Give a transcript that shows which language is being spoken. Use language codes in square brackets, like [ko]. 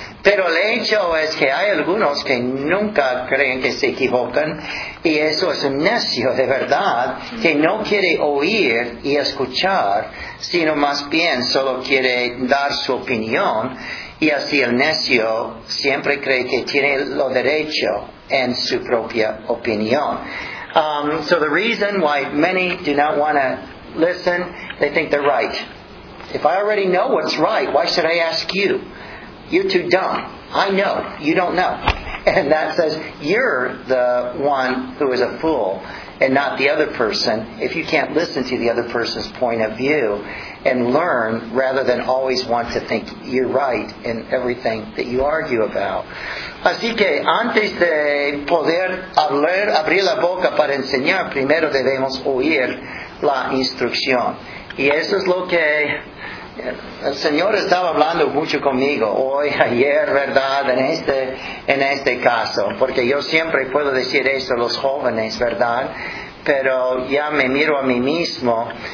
[es] Pero el hecho es que hay algunos que nunca creen que se equivocan, y eso es un necio de verdad, que no quiere oír y escuchar, sino más bien solo quiere dar su opinión, y así el necio siempre cree que tiene lo derecho en su propia opinión. [en] So the reason why many do not want to listen, they think they're right. If I already know what's right, why should I ask you? You're too dumb. I know. You don't know. And that says you're the one who is a fool and not the other person if you can't listen to the other person's point of view and learn rather than always want to think you're right in everything that you argue about. [es] Así que antes de poder hablar, abrir la boca para enseñar, primero debemos oír la instrucción. Y eso es lo que el Señor estaba hablando mucho conmigo hoy, ayer, ¿verdad? En este caso, porque yo siempre puedo decir eso a los jóvenes, ¿verdad? Pero ya me miro a mí mismo